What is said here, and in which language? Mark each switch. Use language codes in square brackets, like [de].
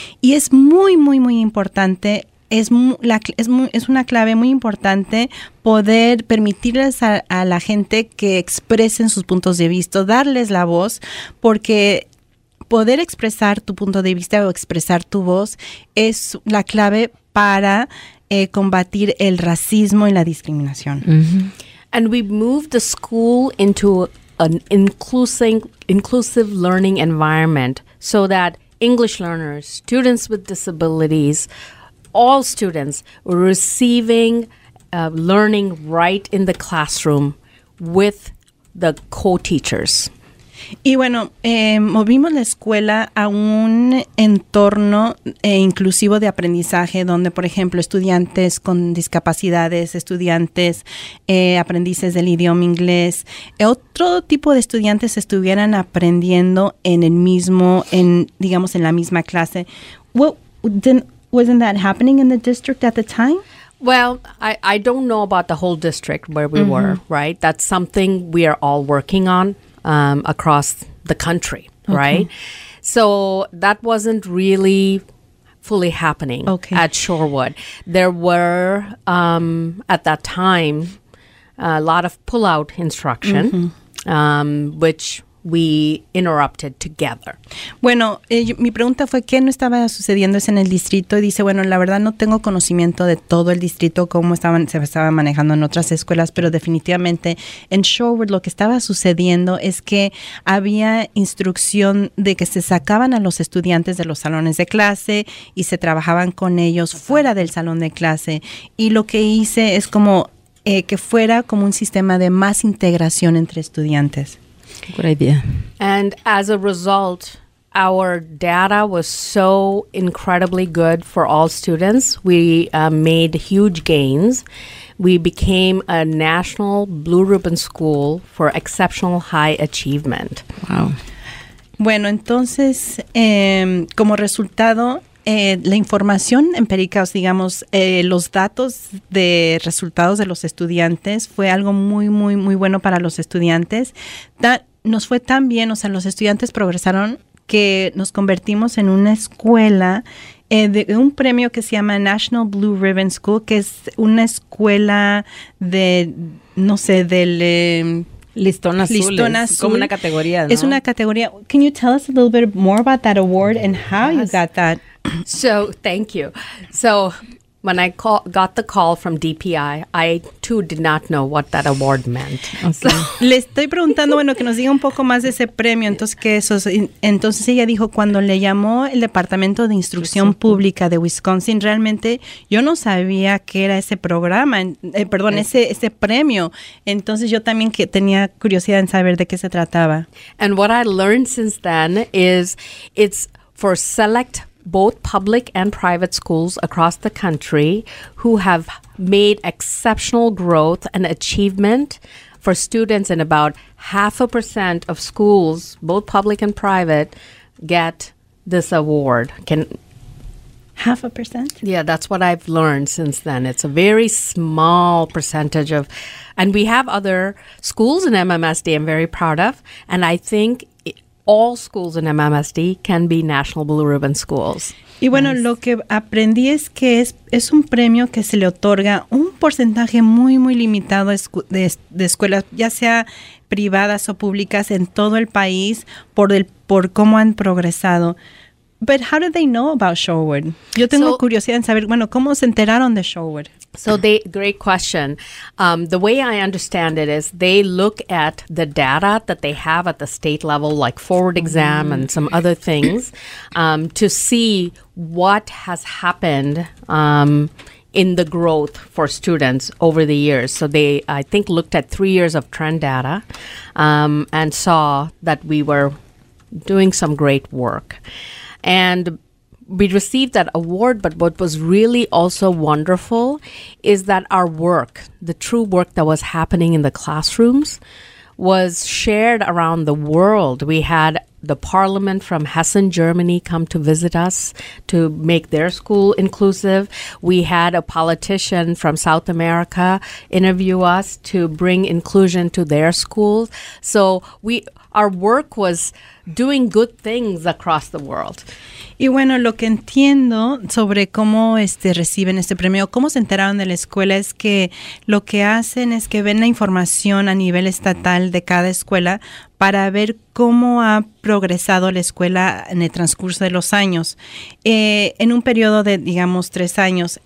[es] Y es muy, muy, muy importante. Es una clave muy importante poder permitirles a la gente que expresen sus puntos de vista, darles la voz, porque poder expresar tu punto de vista o expresar tu voz es la clave para combatir el racismo y la discriminación. Mm-hmm. [en] And we moved the school into an inclusive learning environment so that English learners, students with disabilities, all students were receiving learning right in the classroom with the co-teachers. [es] Y bueno, movimos la escuela a un entorno inclusivo de aprendizaje donde, por ejemplo, estudiantes con discapacidades, estudiantes aprendices del idioma inglés, otro tipo de estudiantes estuvieran aprendiendo en la misma clase. [en] Wasn't that happening in the district at the time? Well, I don't know about the whole district where we mm-hmm. were, right? That's something we are all working on across the country, okay. right? So that wasn't really fully happening okay. at Shoreward. There were, at that time, a lot of pullout instruction, mm-hmm. Which we interrupted together. [es] Bueno, mi pregunta fue qué no estaba sucediendo en el distrito, y dice, bueno, la verdad no tengo conocimiento de todo el distrito cómo se estaba manejando en otras escuelas, pero definitivamente en Shoreward lo que estaba sucediendo es que había instrucción de que se sacaban a los estudiantes de los salones de clase y se trabajaban con ellos okay. fuera del salón de clase, y lo que hice es como que fuera como un sistema de más integración entre estudiantes. [en] Good idea. And as a result, our data was so incredibly good for all students. We made huge gains. We became a national blue ribbon school for exceptional high achievement. Wow. [es] Bueno, entonces, como resultado, la información empírica, o digamos, los datos de resultados de los estudiantes fue algo muy, muy, muy bueno para los estudiantes. Nos fue tan bien, o sea, los estudiantes progresaron que nos convertimos en una escuela de un premio que se llama National Blue Ribbon School, que es una escuela de, no sé, del listón azul. Como una categoría, ¿no? Es una categoría. [en] Can you tell us a little bit more about that award and how yes. you got that? So, thank you. So, when I got the call from DPI, I too did not know what that award meant. Okay. [es] Le estoy preguntando, bueno, que nos diga un poco más de ese premio. Entonces, ¿qué eso? Entonces ella dijo, cuando le llamó el Departamento de Instrucción Pública de Wisconsin, realmente yo no sabía qué era ese programa, ese premio. Entonces yo también que tenía curiosidad en saber de qué se trataba. [en] And what I learned since then is it's for select both public and private schools across the country who have made exceptional growth and achievement for students, and about 0.5% of schools, both public and private, get this award. Can 0.5%? Yeah, that's what I've learned since then. It's a very small percentage of, and we have other schools in MMSD I'm very proud of, and I think all schools in MMSD can be National Blue Ribbon Schools. [es] Y bueno, yes. lo que aprendí es que es un premio que se le otorga un porcentaje muy, muy limitado de escuelas, ya sea privadas o públicas, en todo el país por cómo han progresado. [en] But how did they know about Sherwood? [es] Yo tengo curiosidad en saber, bueno, ¿cómo se enteraron de Sherwood? [en] So, they, great question. The way I understand it is they look at the data that they have at the state level, like forward exam and some other things, to see what has happened in the growth for students over the years. So they, I think, looked at 3 years of trend data and saw that we were doing some great work. And we received that award, but what was really also wonderful is that our work, the true work that was happening in the classrooms, was shared around the world. We had the parliament from Hessen, Germany, come to visit us to make their school inclusive. We had a politician from South America interview us to bring inclusion to their schools. So we, our work was doing good things across the world. [es] Y bueno, lo que entiendo sobre cómo este reciben este premio, cómo se enteraron de la escuela, es que lo que hacen es que ven la información a nivel estatal de cada escuela para ver cómo ha progresado la escuela en el transcurso de los años, en un periodo de, digamos, 3 años.